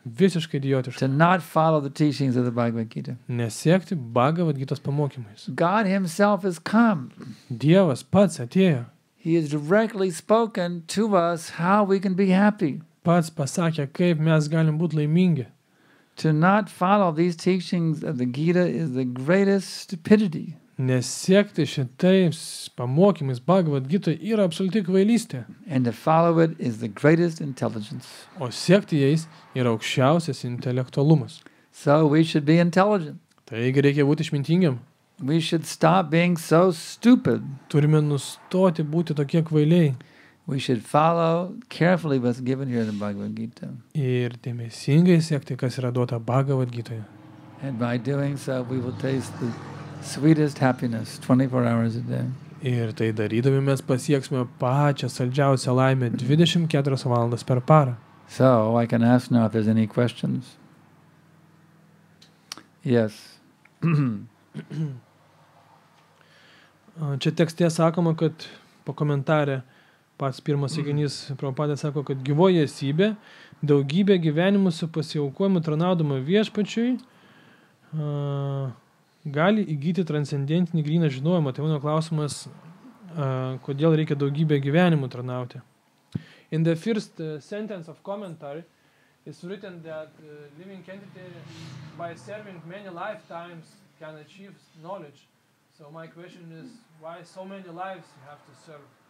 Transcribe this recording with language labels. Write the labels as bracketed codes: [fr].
[lt] Visiškai idiotiška. [en] To not follow the teachings of the Bhagavad Gita. [lt] Nesiekti Bhagavad Gitos pamokymais. [en] God himself has come. [lt] Dievas pats atėjo. [en] He has directly spoken to us how we can be happy. [lt] Pats pasakė, kaip mes galim būti laimingi. [en] To not follow these teachings of the Gita is the greatest stupidity. [lt] Nesiekti šitais pamokymais Bhagavad Gita yra absoliuti kvailystė. [en] And to follow it is the greatest intelligence. [lt] O siekti jais yra aukščiausias intelektualumas. [en] So we should be intelligent. [lt] Taigi reikia būti išmintingiam. [en] We should stop being so stupid. [lt] Turime nustoti būti tokie kvailiai. [en] We should follow carefully what's given here in the Bhagavad Gita. [lt] Ir dėmesingai siekti, kas yra duota Bhagavad Gitoje. [en] And by doing so we will taste the sweetest happiness 24 hours a day. [lt] Ir tai darydami mes pasieksime pačią saldžiausią laimę 24 valandas per parą. [en] So, I can ask now if there's any questions. Yes. [lt] Čia tekste sakoma, kad po komentare pats pirmas sakinys Prabhupada sako, kad gyvoji esybė daugybė gyvenimų su pasiaukojimu tranaudama viešpačiui gali įgyti transcendentinį gryną žinojimą. Tai mano klausimas, kodėl reikia daugybę gyvenimų tarnauti. [en] In the first sentence of commentary, it's written that living entity by serving many lifetimes can achieve knowledge. So my question is, why so many lives you have to serve?